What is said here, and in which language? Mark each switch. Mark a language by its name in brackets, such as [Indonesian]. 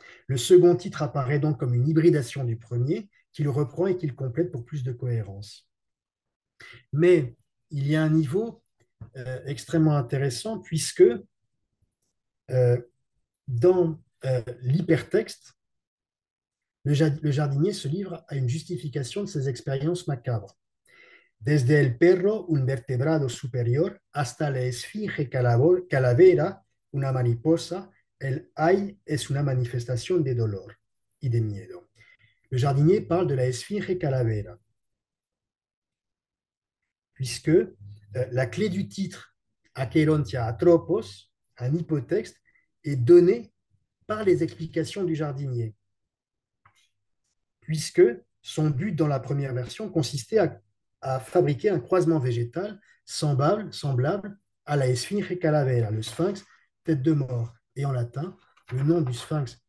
[French] Le second titre apparaît donc comme une hybridation du premier, qu'il reprend et qu'il complète pour plus de cohérence. Mais il y a un niveau extrêmement intéressant, puisque dans l'hypertexte, le jardinier se livre à une justification de ses expériences macabres. [Spanish] Desde el perro, un vertebrado superior, hasta la esfinge calavera, una mariposa, el ay es una manifestación de dolor y de miedo. [French] Le jardinier parle de la esfinge calavera, puisque la clé du titre Acherontia atropos, un hypotexte, est donnée par les explications du jardinier, puisque son but dans la première version consistait à fabriquer un croisement végétal semblable à la esfinge calavera, le sphinx tête de mort. Et en latin, le nom du sphinx